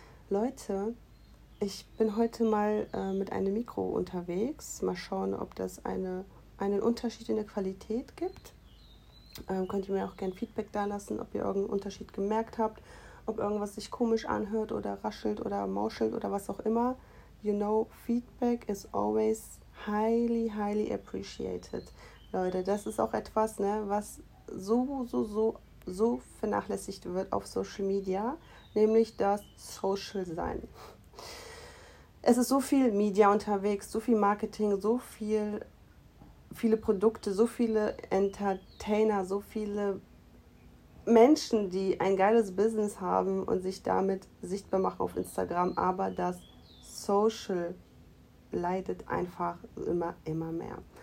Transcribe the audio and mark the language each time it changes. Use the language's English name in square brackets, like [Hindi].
[German] Leute, ich bin heute mal mit einem Mikro unterwegs. Mal schauen, ob das einen Unterschied in der Qualität gibt. Könnt ihr mir auch gerne Feedback dalassen, ob ihr irgendeinen Unterschied gemerkt habt, ob irgendwas sich komisch anhört oder raschelt oder mauschelt oder was auch immer. [English] You know, Feedback is always highly, highly appreciated. [German] Leute, das ist auch etwas, ne, was so vernachlässigt wird auf Social Media, nämlich das Social Sein. Es ist so viel Media unterwegs, so viel Marketing, so viele Produkte, so viele Entertainer, so viele Menschen, die ein geiles Business haben und sich damit sichtbar machen auf Instagram, aber das Social leidet einfach immer mehr.